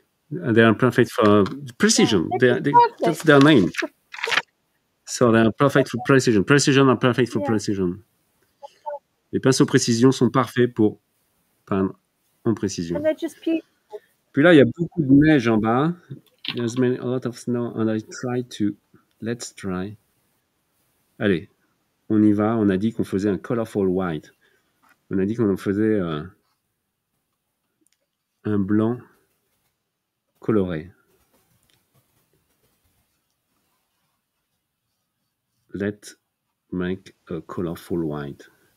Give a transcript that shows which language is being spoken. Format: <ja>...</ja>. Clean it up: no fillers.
<en>They are perfect for precision. That's their name. So they are perfect for precision. Precision are perfect for precision.</en> <fr>Les pinceaux précision sont parfaits pour peindre en précision.</fr> <en>And they're just beautiful.</en> <fr>Puis là, il y a beaucoup de neige en bas.</fr> <en>There's many, a lot of snow, and I try to. Let's try.</en> <fr>Allez, on y va. On a dit qu'on faisait un</fr> <en>colorful white.</en> <fr>On a dit qu'on en faisait un blanc coloré.</fr> <en>Let's make a colorful white.</en>